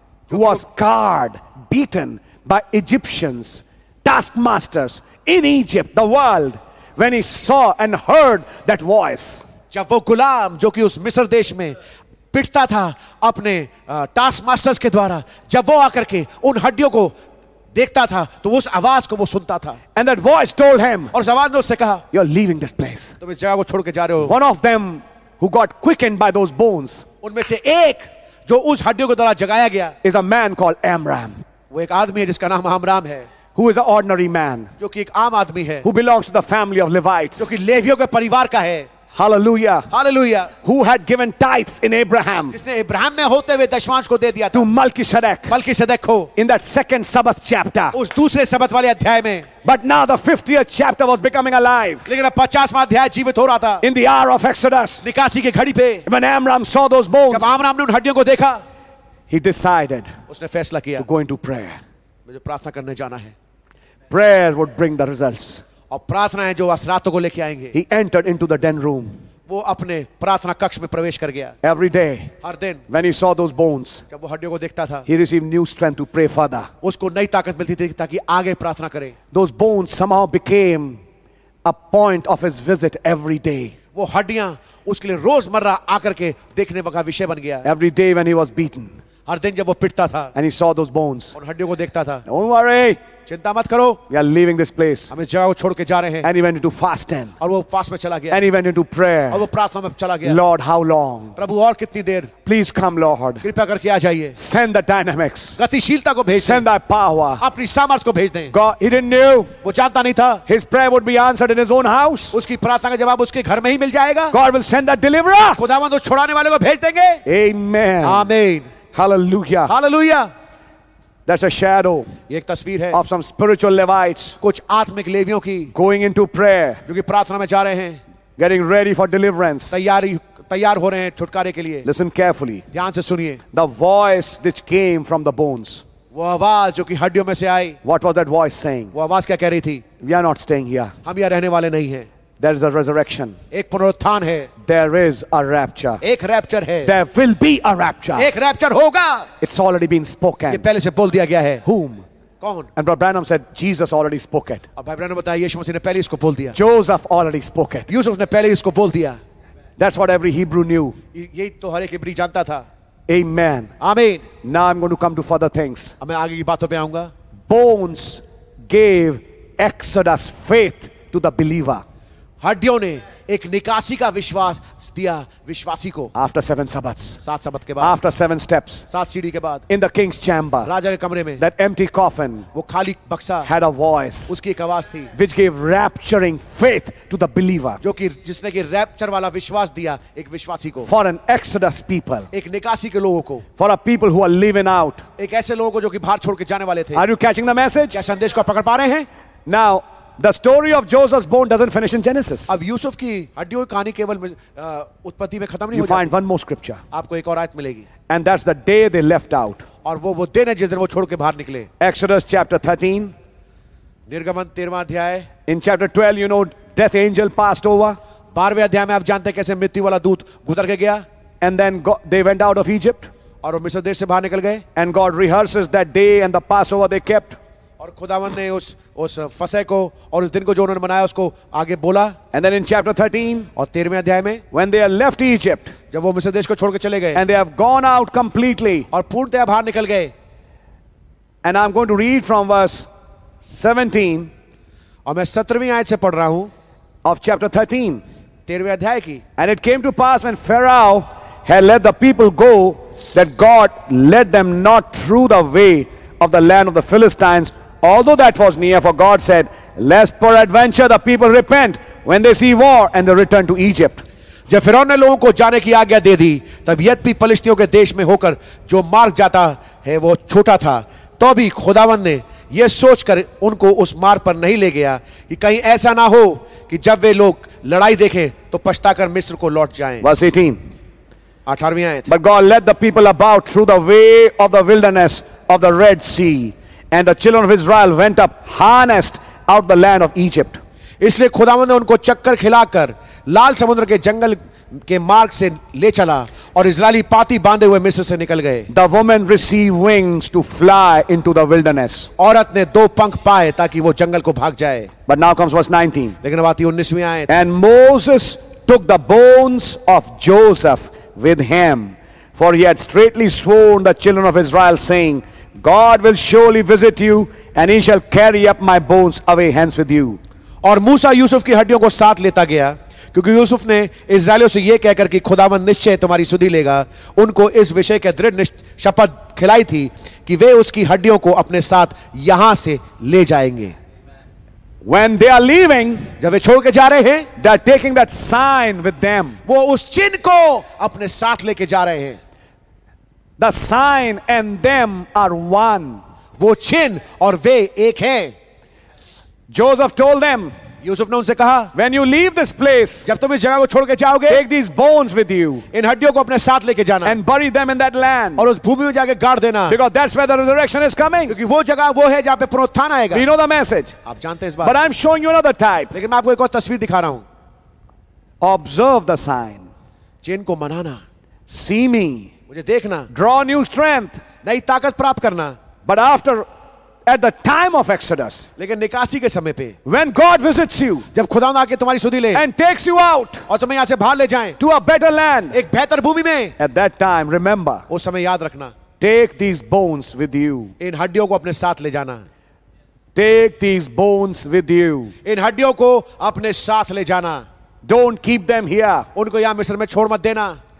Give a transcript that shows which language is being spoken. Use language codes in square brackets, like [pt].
[en] Who was scarred, beaten by Egyptians, taskmasters in Egypt, the world, when he saw and heard that voice. [hi] जब वो गुलाम जो कि उस मिस्र देश में पिटता था अपने taskmasters के द्वारा, जब वो आकर के उन हड्डियों को देखता था तो उस आवाज को वो सुनता था. [en] And that voice told him. [hi] और आवाज ने उससे कहा. [en] You are leaving this place. [hi] तुम इस जगह को छोड़ के जा रहे हो. [en] One of them who got quickened by those bones. [hi] उनमें से एक जो उस हड्डियों के द्वारा जगाया गया. [en] Is a man called Amram. [hi] वो एक आदमी है जिसका नाम अमराम है. [en] Who is a ordinary man. [hi] जो कि एक आम आदमी है. [en] Who belongs to the family of Levites. [hi] जो कि लेवियों के परिवार का है. [en] Hallelujah. Hallelujah. Who had given tithes in Abraham. [hi] जिसने अब्राहम में होते हुए दशमांश को दे दिया था. [en] To Melchizedek. [hi] Melchizedek को. [en] In that second Sabbath chapter. [hi] उस दूसरे सबत वाले अध्याय में. [en] But now the 50th chapter was becoming alive. [hi] लेकिन अब 50वां अध्याय जीवित हो रहा था. [en] In the hour of Exodus. [hi] निकासी की घड़ी पे. [en] When Amram saw those bones. [hi] जब अमराम ने उन हड्डियों को देखा. [en] He decided. [hi] उसने फैसला किया. [en] To go into prayer. [hi] मुझे प्रार्थना करने जाना है. [en] Prayer would bring the results. [hi] और प्रार्थनाएं जो असरातों को लेके आएंगे. [en] He entered into the den room. [hi] वो अपने प्रार्थना कक्ष में प्रवेश कर गया. [en] Every day, [hi] हर दिन, [en] when he saw those bones, [hi] जब वो हड्डियों को देखता था, [en] he received new strength to pray further. [hi] उसको नई ताकत मिलती थी ताकि आगे प्रार्थना करे. [en] Those bones somehow became a point of his visit every day. [hi] वो हड्डियां उसके लिए रोजमर्रा आकर के देखने का विषय बन गया. [en] Every day when he was beaten, [hi] हर दिन जब वो पिटता था, [en] and he saw those bones, [hi] और हड्डियों को देखता था, [en] don't worry. [hi] चिंता मत करो. [en] We are leaving this place. [hi] हम इस जगह को छोड़ के जा रहे हैं. [en] And he went into fasting. [hi] और वो फास्ट में चला गया. [en] And he went into prayer. [hi] और वो प्रार्थना में चला गया. [en] Lord, how long? [hi] प्रभु और कितनी देर? [en] Please come, Lord. [hi] कृपया करके आ जाइए. [en] Send the dynamics. [hi] गतिशीलता को भेज. [en] Send the power. [hi] अपनी सामर्थ को भेज दें. [en] God, he didn't know. [hi] वो जानता नहीं था. [en] His prayer would be answered in his own house. [hi] उसकी प्रार्थना का जवाब उसके घर में ही मिल जाएगा. [en] God will send the deliverer. [hi] खुदावंद छुड़ाने वाले को भेज देंगे. [en] Amen. Amen. Hallelujah. Hallelujah. That's a shadow. [hi] ये एक तस्वीर है. [en] Of some spiritual Levites. [hi] कुछ आत्मिक लेवियों की. [en] Going into prayer. [hi] जो कि प्रार्थना में जा रहे हैं. [en] Getting ready for deliverance. [hi] तैयार हो रहे हैं छुटकारे के लिए. [en] Listen carefully. [hi] ध्यान से सुनिए. [en] The voice which came from the bones. [hi] वो आवाज जो कि हड्डियों में से आई. [en] What was that voice saying? [hi] वो आवाज क्या कह रही थी? [en] We are not staying here. [hi] हम यहाँ रहने वाले नहीं हैं. [en] There is a resurrection. [hi] एक पुनरुत्थान है. [en] There is a rapture. [hi] एक रैप्चर है. [en] There will be a rapture. [hi] एक रैप्चर होगा. [en] It's already been spoken. [hi] ये पहले से बोल दिया गया है. [en] Whom? [hi] कौन? [en] And Brother Branham said Jesus already spoke it. [hi] अब भाई ब्रैनम बताया यीशु मसीह ने पहले इसको बोल दिया. [en] Joseph already spoke it. [hi] Yusuf ने पहले इसको बोल दिया. [en] That's what every Hebrew knew. [hi] यही तो हर एक इब्री जानता था. [en] Amen. Amen. Now I'm going to come to further things. [hi] अब मैं आगे की बातों पे आऊंगा. [en] Bones gave Exodus faith to the believer. [hi] हड्डियों ने एक निकासी का विश्वास दिया विश्वासी को. [en] After seven Sabbaths, [hi] सात सबत के बाद. [en] After seven steps, [hi] सात सीढ़ी के बाद. [en] In the king's chamber, [hi] राजा के कमरे में. [en] That empty coffin, [hi] वो खाली बक्सा. [en] Had a voice, [hi] उसकी एक आवाज थी. [en] Which gave rapturing faith to the believer, [hi] जो कि जिसने कि रैप्चर वाला विश्वास दिया एक विश्वासी को. [en] For an Exodus people, [hi] एक निकासी के लोगों को. [en] For a people who are living out, [hi] एक ऐसे लोगों को जो कि बाहर छोड़ के जाने वाले थे. [en] Are you catching the message? [hi] क्या संदेश को पकड़ पा रहे हैं? [en] Now the story of Joseph's bone doesn't finish in Genesis. [hi] अब यूसुफ की हड्डियों की कहानी केवल उत्पत्ति में खत्म नहीं हो जाती. [en] You find one more scripture. [hi] आपको एक और आयत मिलेगी. [en] And that's the day they left out. [hi] और वो दिन है जिस दिन वो छोड़ के बाहर निकले. [en] Exodus chapter 13. [hi] निर्गमन 13वां अध्याय. [en] In chapter 12, you know, death angel passed over. [hi] 12वें अध्याय में आप जानते हैं कैसे मृत्यु वाला दूत गुजर के गया. [en] And then they went out of Egypt. [hi] और वो मिस्र देश से बाहर निकल गए. [en] And God rehearses that day and the Passover they kept. [hi] और खुदावंद ने उस फसे को और उस दिन को जो उन्होंने मनाया उसको आगे बोला. [en] And then in chapter 13, [hi] और 13वें अध्याय में, [en] when they are left Egypt, [hi] जब वो मिस्र देश को छोड़कर चले गए, [en] and they have gone out completely, [hi] और पूर्णतया बाहर निकल गए. [en] And I'm going to read from verse 17, [hi] और मैं 17वीं आयत से पढ़ रहा हूं, [en] of chapter 13, [hi] 13वें अध्याय की. [en] And it came to pass when Pharaoh had let the people go that God led them not through the way of the land of the Philistines. Although that was near, for God said, lest peradventure the people repent when they see war and they return to Egypt. [hi] जब फिरौन ने लोगों को जाने की आज्ञा दे दी, तब यद्यपि पलिश्तियों के देश में होकर जो मार्ग जाता है वो छोटा था, तो भी खुदावंद ने यह सोचकर उनको उस मार्ग पर नहीं ले गया कि कहीं ऐसा ना हो कि जब वे लोग लड़ाई देखें तो पछताकर मिस्र को लौट जाएं. [en] Verse 18. [hi] 18वीं आयत. [en] But God led the people about through the way of the wilderness of the Red Sea. And the children of Israel went up harnessed out the land of Egypt. [hi] इसलिए खुदावंद ने उनको चक्कर खिलाकर लाल समुद्र के जंगल के मार्ग से ले चला और इजरायली पाती बांधे हुए मिस्र से निकल गए. [en] The woman received wings to fly into the wilderness. [hi] औरत ने दो पंख पाए ताकि वो जंगल को भाग जाए. [en] But now comes verse 19. [hi] लेकिन अब आती 19वीं आयत. [en] And Moses took the bones of Joseph with him, for he had straitly sworn the children of Israel, saying, God will surely visit you and he shall carry up my bones away hence with you. [hi] और मूसा यूसुफ की हड्डियों को साथ लेता गया क्योंकि यूसुफ ने इज़राइलियों से यह कहकर कि खुदावंद निश्चय तुम्हारी सुधि लेगा उनको इस विषय के दृढ़ शपथ खिलाई थी कि वे उसकी हड्डियों को अपने साथ यहां से ले जाएंगे. [en] When they are leaving, [hi] जब वे छोड़ के जा रहे हैं, [en] they are taking that sign with them. [hi] वो उस चिन्ह को अपने साथ लेके जा रहे हैं. [en] The sign and them are one. [hi] वो चिन्ह और वे एक हैं. [en] Joseph told them. [hi] यूसुफ ने उनसे कहा, [en] When you leave this place, [hi] जब तुम इस जगह को छोड़ के जाओगे, [en] take these bones with you, [hi] इन हड्डियों को अपने साथ लेके जाना, [en] and bury them in that land, [hi] और उस भूमि में जाके गाड़ देना, [en] because that's where the resurrection is coming, [hi] क्योंकि वो जगह वो है जहाँ पे पुनरुत्थान आएगा, [en] you know the message, [hi] आप जानते हैं इस बात, [en] but I'm showing you another type, [hi] लेकिन मैं आपको एक और तस्वीर दिखा रहा हूँ, [en] observe the sign, [hi] चिन्ह को मनाना, [en] see me, [hi] मुझे देखना, [en] draw new strength, [hi] नई ताकत प्राप्त करना, [en] but after At the time of Exodus, [hi] लेकिन निकासी के समय पे, [en] when God visits you, [hi] जब खुदा आके तुम्हारी सुधि ले, [en] and takes you out, [hi] और तुम्हें यहाँ से बाहर ले जाएं, [en] to a better land, [hi] एक बेहतर भूमि में, [en] at that time, remember, [hi] उस समय याद रखना, [en] take these bones with you, [hi] इन हड्डियों को अपने साथ ले जाना, [en] take these bones with you, [hi] इन हड्डियों को अपने साथ ले जाना, [en] don't keep them here, [hi] उनको यहाँ मिस्र में छोड़ मत देना,